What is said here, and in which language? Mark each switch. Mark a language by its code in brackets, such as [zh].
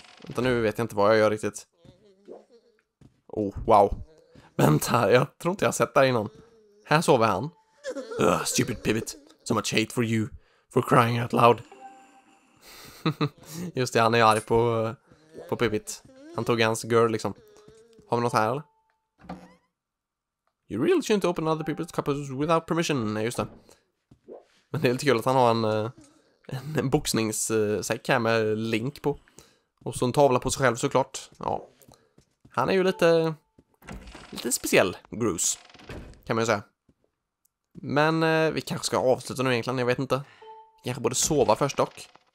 [sv] Vänta, nu vet jag inte vad jag gör riktigt. [en] Oh, wow. [sv] Vänta, jag tror inte jag har sett det innan. Här sover han. [en] Stupid pivot. So much hate for you. For crying out loud. [sv] Just det, han är arg på Pipit. Han tog hans girl liksom. Har vi något här eller? [en] You really shouldn't open other people's cups without permission. [sv] Nej, just det. Men det är lite kul att han har en boxningssäck här med Link på. Och så en tavla på sig själv såklart. Ja. Han är ju lite speciell, Groose. Kan man ju säga. Men vi kanske ska avsluta nu egentligen, jag vet inte. Kanske borde sova först dock.